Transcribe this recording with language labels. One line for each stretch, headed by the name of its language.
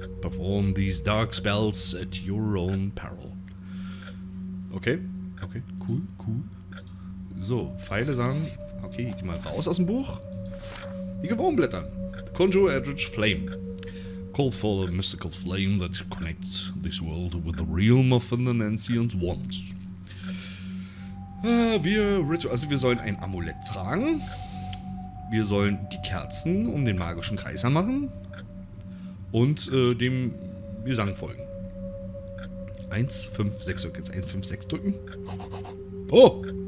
English: Perform these dark spells at your own peril. Okay, okay, cool, cool.
German: So, Pfeile sagen, okay, ich geh mal raus aus dem Buch. Die Gewohnblättern.
English: Conjure Eldritch Flame. Call for a mystical flame that connects this world with the realm of the ancient ones.
German: Wir sollen ein Amulett tragen. Wir sollen die Kerzen um den magischen Kreis anmachen. Und dem Gesang folgen. 1, 5, 6, soll ich jetzt 1, 5, 6 drücken? Oh!